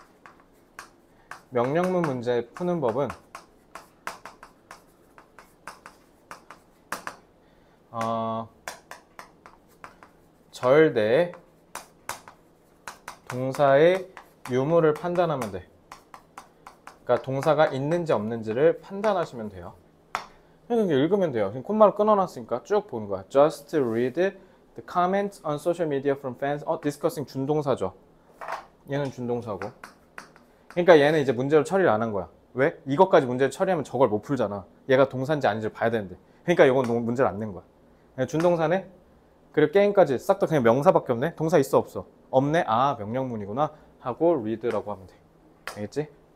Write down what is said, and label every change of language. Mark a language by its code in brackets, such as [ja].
[ko] 명령문 문제 푸는 법은 절 대 동사의 유무를 판단하면 돼. 그러니까 동사가 있는지 없는지를 판단하시면 돼요. 그냥 읽으면 돼요. 지금 콤마를 끊어놨으니까 쭉 보는 거야. [en] Just read the comments on social media from fans. [ko] Discussing 준동사죠. 얘는 준동사고. 그러니까 얘는 이제 문제로 처리를 안한 거야. 왜? 이것까지 문제를 처리하면 저걸 못 풀잖아. 얘가 동사인지 아닌지를 봐야 되는데. 그러니까 이건 문제를 안낸 거야. 준동사네? 그리고 게임까지 싹다 그냥 명사밖에 없네? 동사 있어, 없어? 없네? 아, 명령문이구나. 하고, read라고 하면 돼. 알겠지?